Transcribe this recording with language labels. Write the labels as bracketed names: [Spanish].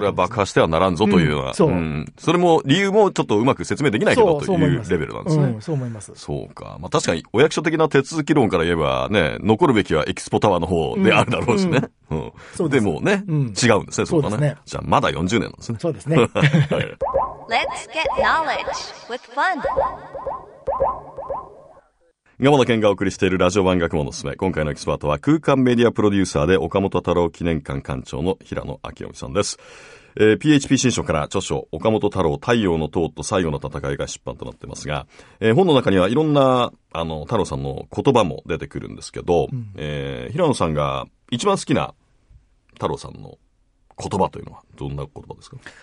[Japanese] それは爆破してはならんぞというような、そう、それも理由もちょっとうまく説明できないけどというレベルなんですね。そう思います。そうか。まあ確かにお役所的な手続き論から言えばね、残るべきはエキスポタワーの方であるだろうしね。そうでもね、違うんですね、そこがね。ね。じゃあまだ40年なんですね。そうですね。 [English] Let's get knowledge with fun. [Japanese] 山田健がお送りしているラジオ版学問のすすめ、今回のエキスパートは空間メディアプロデューサーで岡本太郎記念館館長の平野明臣さんです。 PHP 新書から著書岡本太郎太陽の塔と最後の戦いが出版となってますが、本の中にはいろんなあの太郎さんの言葉も出てくるんですけど、平野さんが一番好きな太郎さんの言葉というのはどんな言葉ですか？